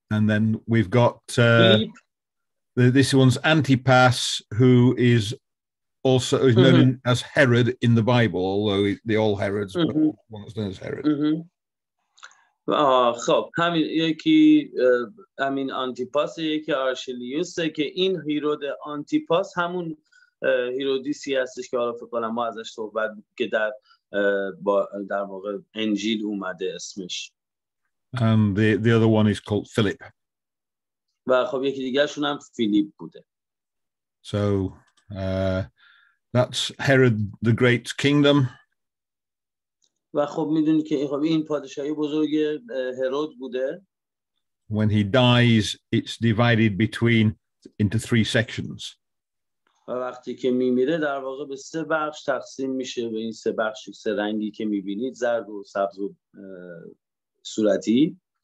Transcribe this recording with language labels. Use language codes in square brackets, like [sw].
[en] then we've got this one's Antipas, who is also is known as Herod in the Bible, although the all Herods, but one that's known as Herod. [fa] خب همین یکی همین آنتیپاس، یکی آرشلیوس، که این هیرود آنتیپاس همون هیرودیسی هستش که حالا فکر کنم ما ازش صحبت که در واقع انجیل اومده اسمش. [en] And the other one is called Philip. [fa] و خب یکی دیگه شون هم فیلیپ بوده. [en] So that's Herod the Great's kingdom. [fa] و خب میدونید که خب این پادشاهی بزرگ هرود بوده. [en] When he dies, it's divided between into three sections. [fa] و وقتی که میمیره در واقع به سه بخش تقسیم میشه به این سه بخش سه رنگی که میبینید زرد و سبز و صورتی.